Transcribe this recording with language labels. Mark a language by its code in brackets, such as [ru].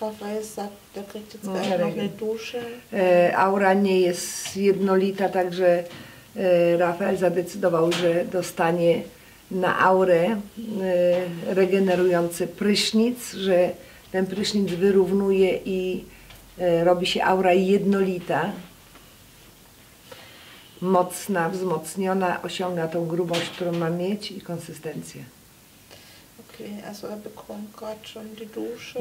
[de] Rafael sagt, der kriegt jetzt gleich noch eine Dusche. [pl] Aura nie jest jednolita, także Rafael zadecydował, że dostanie na aurę regenerujący prysznic, że ten prysznic wyrównuje i robi się aura jednolita, mocna, wzmocniona, osiąga tą grubość, którą ma mieć i konsystencję. [de] Also er bekommt gerade schon die Dusche.